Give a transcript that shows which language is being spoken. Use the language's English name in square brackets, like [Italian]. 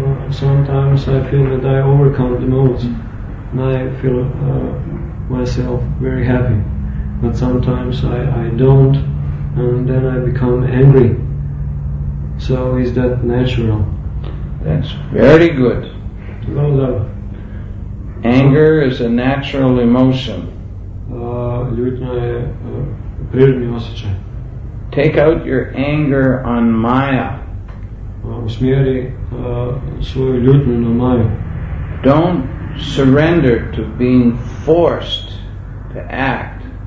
[English] Sometimes I feel that I overcome the modes and I feel myself very happy, but sometimes I don't and then I become angry. So is that natural? That's very good. No, no. Anger is a natural emotion. [Croatian] Ljutnja je prirodni osjećaj. [English] Take out your anger on Maya. [Croatian] Usmjeri svoju ljutnju na Maju. [English] Don't surrender to being forced to act.